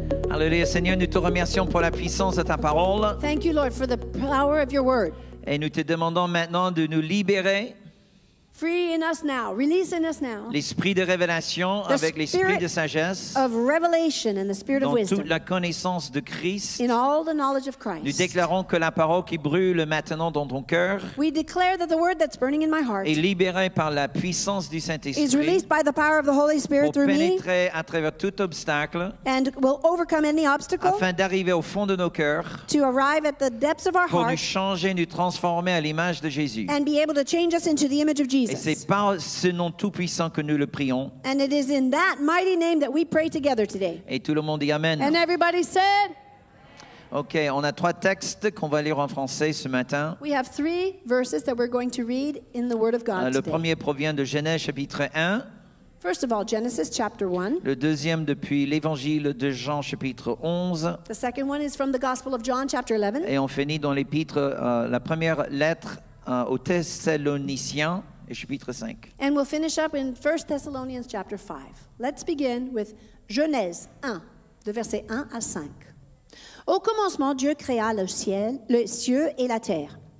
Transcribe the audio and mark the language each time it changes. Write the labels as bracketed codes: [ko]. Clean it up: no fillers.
[fr] Alléluia, Seigneur, nous te remercions pour la puissance de ta parole. [en] Thank you, Lord, for the power of your word. [fr] Et nous te demandons maintenant de nous libérer. [en] Free in us now, release in us now. [fr] L'esprit de révélation avec l'esprit de sagesse. [en] Of revelation and the spirit of wisdom. [fr] Dans toute la connaissance de Christ. [en] In all the knowledge of Christ. [fr] Nous déclarons que la parole qui brûle maintenant dans ton cœur. [en] We declare that the word that's burning in my heart. [fr] Est libérée par la puissance du Saint-Esprit. [en] Is released by the power of the Holy Spirit through me. [fr] Pour pénétrer à travers tout obstacle. [en] And will overcome any obstacle. [fr] Afin d'arriver au fond de nos cœurs. [en] To arrive at the depths of our heart. [fr] Pour nous changer, nous transformer à l'image de Jésus. [en] And be able to change us into the image of Jesus. [fr] Et c'est par ce nom tout-puissant que nous le prions. [en] And it is in that mighty name that we pray together today. [fr] Et tout le monde dit amen. [en] And everybody said. [fr] OK, on a trois textes qu'on va lire en français ce matin. [en] We have three verses that we're going to read in the word of God [fr] le [en] today. [fr] Le premier provient de Genèse chapitre 1. [en] First of all, Genesis chapter 1. [fr] Le deuxième depuis l'évangile de Jean chapitre 11. [en] The second one is from the gospel of John chapter 11. [fr] Et on finit dans l'épître la première lettre aux Thessaloniciens. [en] And we'll finish up in 1 Thessalonians chapter 5. Let's begin with [fr] Genèse 1, de versets 1 à 5. Au commencement, Dieu créa le ciel, le ciel et la terre.